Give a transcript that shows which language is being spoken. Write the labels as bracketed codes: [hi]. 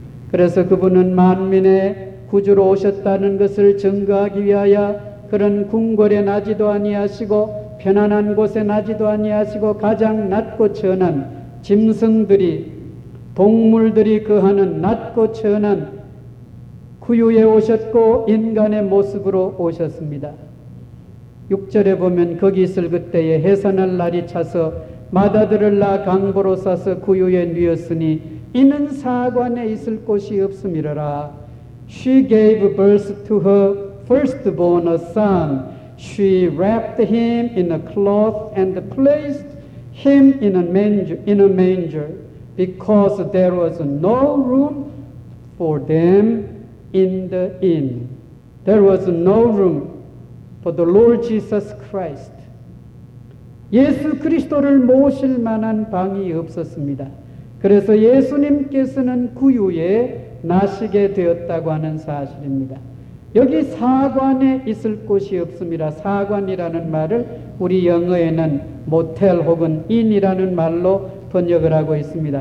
[ko] 그래서 그분은 만민의 구주로 오셨다는 것을 증거하기 위하여 그런 궁궐에 나지도 아니하시고 편안한 곳에 나지도 아니하시고 가장 낮고 천한 짐승들이 동물들이 거하는 낮고 천한 구유에 오셨고 인간의 모습으로 오셨습니다. 6절에 보면 거기 있을 그때에 해산할 날이 차서 마다들을 낳아 강보로 싸서 구유에 누였으니 이는 사관에 있을 곳이 없음이라. [en] She gave birth to her firstborn a son. She wrapped him in a cloth and placed him in a manger because there was no room for them in the inn. There was no room for the Lord Jesus Christ. [ko] 예수 그리스도를 모실 만한 방이 없었습니다. 그래서 예수님께서는 구유에 나시게 되었다고 하는 사실입니다. 여기 사관에 있을 곳이 없습니다. 사관이라는 말을 우리 영어에는 모텔 혹은 인이라는 말로 번역을 하고 있습니다.